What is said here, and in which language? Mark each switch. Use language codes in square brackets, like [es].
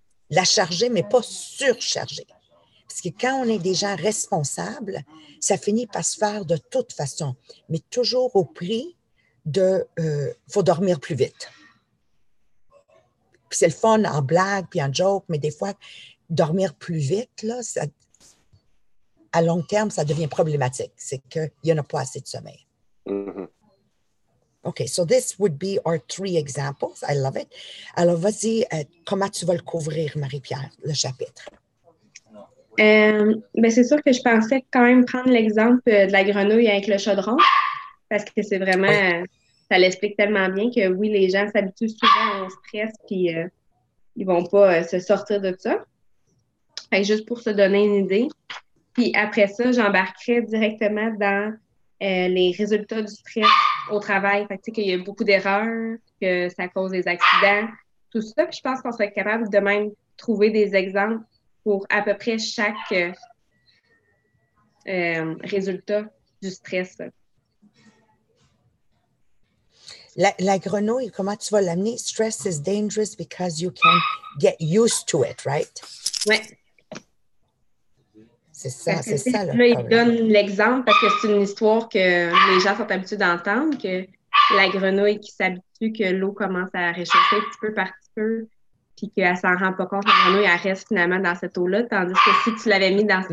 [fr] La charger, mais pas surcharger. Parce que quand on est des gens responsables, ça finit par se faire de toute façon, mais toujours au prix de faut dormir plus vite. Puis c'est le fun en blague puis en joke, mais des fois, dormir plus vite, là, ça, à long terme, ça devient problématique. C'est qu'il n'y en a pas assez de sommeil. [en] OK, so this would be our three examples. I love it. [fr] Alors, vas-y, comment tu vas le couvrir, Marie-Pierre, le chapitre? Ben c'est sûr que je pensais quand même prendre l'exemple de la grenouille avec le chaudron, parce que c'est vraiment, oui. Ça l'explique tellement bien que oui, les gens s'habituent souvent au stress puis ils vont pas se sortir de ça. Fait que juste pour se donner une idée. Puis après ça, j'embarquerai directement dans les résultats du stress au travail, fait que, tu sais, qu'il y a beaucoup d'erreurs, que ça cause des accidents, tout ça. Puis je pense qu'on serait capable de même trouver des exemples pour à peu près chaque résultat du stress. La grenouille, comment tu vas l'amener? [en] Stress is dangerous because you can get used to it, right? [fr] Oui. C'est ça là, il donne l'exemple parce que c'est une histoire que les gens sont habitués d'entendre, que la grenouille qui s'habitue que l'eau commence à réchauffer petit peu par petit peu, puis qu'elle ne s'en rend pas compte, la grenouille, elle reste finalement dans cette eau-là, tandis que si tu l'avais mis dans cette